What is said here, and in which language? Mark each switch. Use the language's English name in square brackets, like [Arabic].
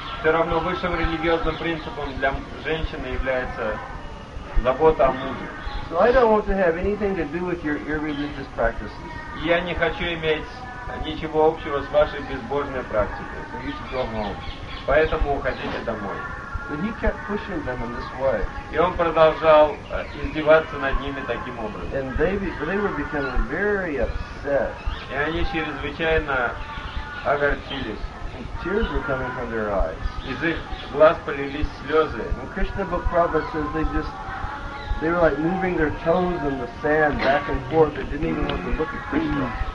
[Russian] Все равно высшим религиозным принципом для женщины является забота о муже. [English] So I don't want to have anything to do with your irreligious practices. [Russian] Я не хочу иметь ничего общего с вашей безбожной практикой. [English] So you should go home. [Russian] Поэтому уходите домой. [English] But he kept pushing them in this way. [Russian] И он продолжал издеваться над ними таким образом. [English] And they were becoming very upset. [Russian] И они чрезвычайно огорчились. [English] And tears were coming from their eyes. [Russian] Из их глаз полились слезы. [English] And Krishna Bhakti says they were like moving their toes in the sand back and forth. They didn't even want to look at Krishna.